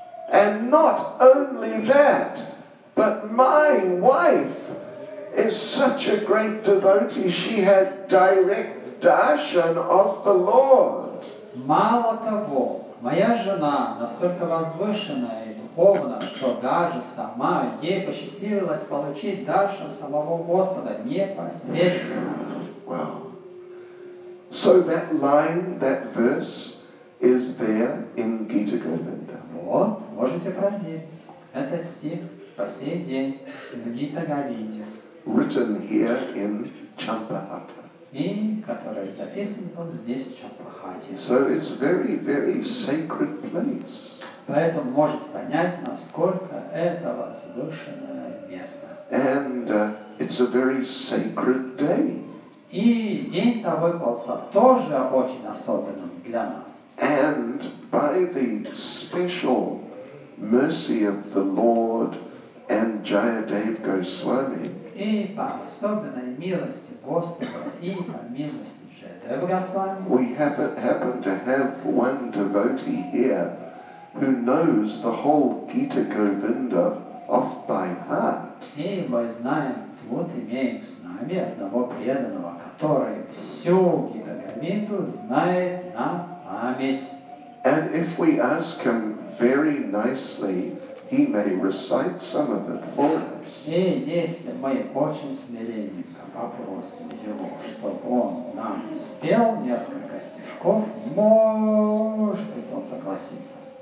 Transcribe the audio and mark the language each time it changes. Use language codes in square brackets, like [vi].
[en] And not only that, but my wife is such a great devotee, she had direct darshan of the Lord. [ru] Мало того, моя жена настолько возвышенная и духовна, что даже сама ей посчастливилось получить даршан самого Господа непосредственно. [en] Wow. So that line, that verse is there in Gita Govinda. [ru] Вот, можете проверить. Этот стих по сей день в Гита Говинде. [en] Written here in Champahata. [ru] И который записан вот здесь, в Чампахате. [en] So it's very, very sacred place. [ru] Поэтому можете понять, насколько это возвышенное место. [en] And it's a very sacred day. [ru] И день-то выпался тоже очень особенным для нас. [en] And by the special mercy of the Lord and Jayadev Goswami, [ru] и по особенной милости Господа и по милости Джайадева Госвами. [en] We happen to have one devotee here who knows the whole Gita Govinda off by heart. [ru] И мы знаем, вот имеем с нами одного преданного, который всю Гита Говинду знает на память. [en] And if we ask him very nicely, he may recite some of it for us. [ru] И если мы очень смиренненько попросим его, чтобы он нам спел несколько стишков, может быть, он согласится.